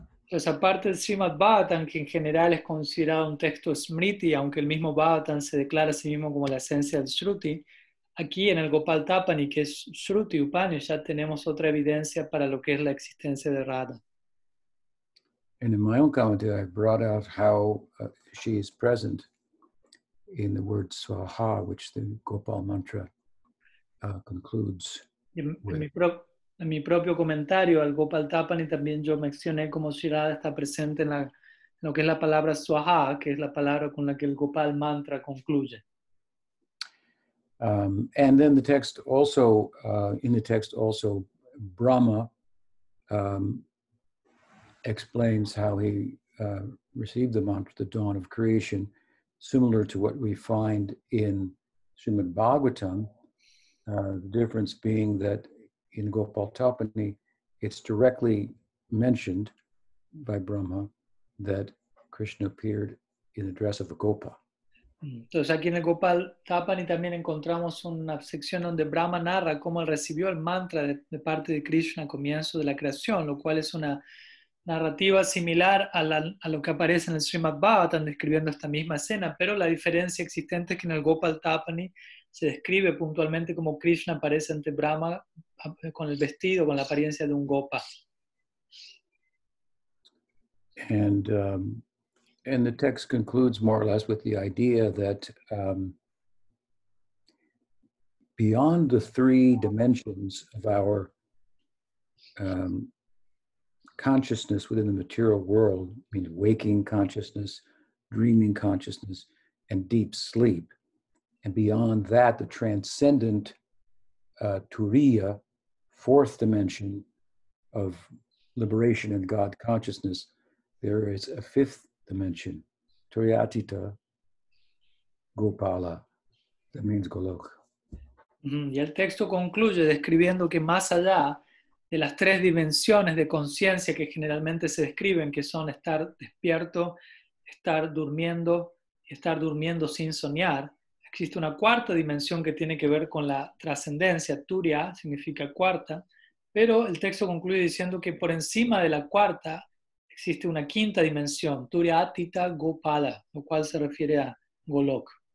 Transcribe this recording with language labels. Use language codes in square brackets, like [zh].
[es] Pues aparte del Srimad Bhagavatam, que en general es considerado un texto Smriti, aunque el mismo Bhagavatam se declara a sí mismo como la esencia del Shruti, aquí en el Gopal Tapani, que es Shruti Upanishad, ya tenemos otra evidencia para lo que es la existencia de Radha. [en] And in my own commentary, I brought out how she is present in the word Swaha, which the Gopal Mantra concludes with. [es] En mi propio comentario al Gopal Tapani también yo mencioné cómo Shirada está presente en, la, en lo que es la palabra Swaha, que es la palabra con la que el Gopal Mantra concluye. [en] And then the text also, in the text also, Brahma explains how he received the mantra, the dawn of creation, similar to what we find in Srimad Bhagavatam, the difference being that in Gopal Tapani, it's directly mentioned by Brahma that Krishna appeared in the dress of a Gopa. [es] Entonces aquí en el Gopal Tapani también encontramos una sección donde Brahma narra cómo él recibió el mantra de parte de Krishna al comienzo de la creación, lo cual es una narrativa similar a, la, a lo que aparece en el Srimad Bhagavatam describiendo esta misma escena, pero la diferencia existente es que en el Gopal Tapani se describe puntualmente cómo Krishna aparece ante Brahma con el vestido, con la apariencia de un Gopa. [en] And the text concludes more or less with the idea that beyond the three dimensions of our consciousness within the material world, meaning waking consciousness, dreaming consciousness, and deep sleep, and beyond that, the transcendent Turiya, fourth dimension of liberation and God consciousness, there is a fifth dimension, Turiyatita Gopala, that means Golok. [es] Y el texto concluye describiendo que más allá de las tres dimensiones de conciencia que generalmente se describen, que son estar despierto, estar durmiendo, y estar durmiendo sin soñar, existe una cuarta dimensión que tiene que ver con la trascendencia, Turiya significa cuarta, pero el texto concluye diciendo que por encima de la cuarta existe una quinta dimensión, Turiya Atita Gopala, lo cual se refiere a Golok.